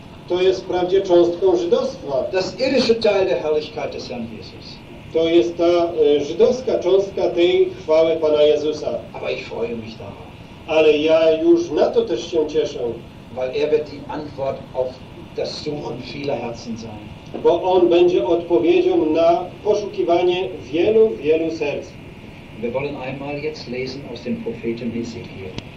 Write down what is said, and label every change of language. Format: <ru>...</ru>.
<pl>To jest wprawdzie cząstką żydostwa.</pl> <de>Das irdische Teil der Herrlichkeit des Herrn Jesus.</de> <pl>To jest ta żydowska cząstka tej chwały Pana Jezusa.</pl> <de>Aber ich freue mich darauf.</de> <pl>Ale ja już na to też się cieszę.</pl> <de>Weil wird die Antwort auf das Suchen vieler Herzen sein.</de> <pl>Bo on będzie odpowiedzią na poszukiwanie wielu, wielu serc.</pl> <de>Wir wollen einmal jetzt lesen aus dem Propheten Hesekiel.</de>